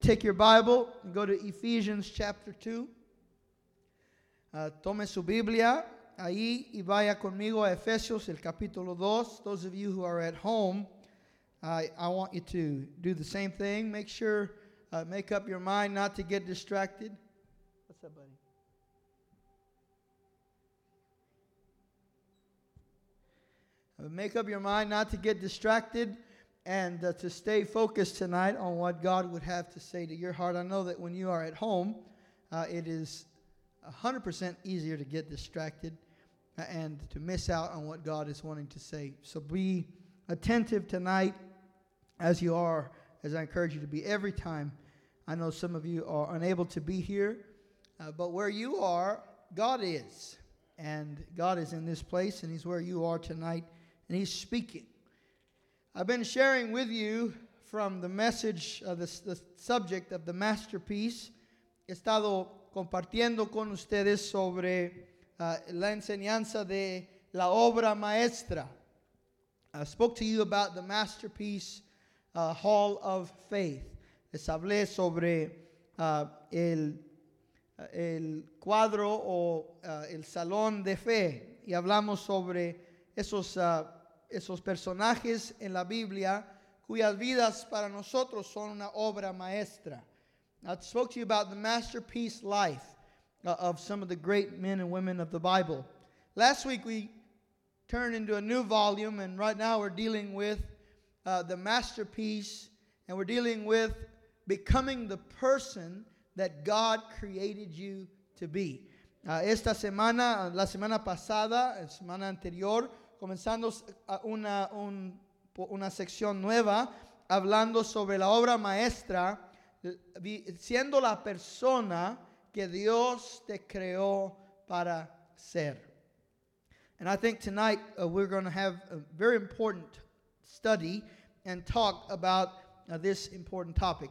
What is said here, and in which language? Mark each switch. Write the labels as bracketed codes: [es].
[en] take your Bible and go to Ephesians chapter 2. [es] Tome su Biblia ahí y vaya conmigo a Efesios, el capítulo 2. [en] Those of you who are at home, I want you to do the same thing. Make sure, make up your mind not to get distracted. What's up, buddy? Make up your mind not to get distracted and to stay focused tonight on what God would have to say to your heart. I know that when you are at home, it is 100% easier to get distracted and to miss out on what God is wanting to say. So be attentive tonight as you are, as I encourage you to be every time. I know some of you are unable to be here, but where you are, God is. And God is in this place, and He's where you are tonight, and He's speaking. I've been sharing with you from the message, the subject of the masterpiece. [es] He estado compartiendo con ustedes sobre la enseñanza de la obra maestra. [en] I spoke to you about the masterpiece, Hall of Faith. [es] Les hablé sobre el cuadro o el salón de fe. Y hablamos sobre esos personajes en la Biblia cuyas vidas para nosotros son una obra maestra. [en] I spoke to you about the masterpiece life of some of the great men and women of the Bible. Last week we turned into a new volume, and right now we're dealing with the masterpiece, and we're dealing with becoming the person that God created you to be. [es] Esta semana, la semana pasada, la semana anterior, comenzando una sección nueva, hablando sobre la obra maestra, siendo la persona que Dios te creó para ser. [en] And I think tonight we're going to have a very important study and talk about this important topic.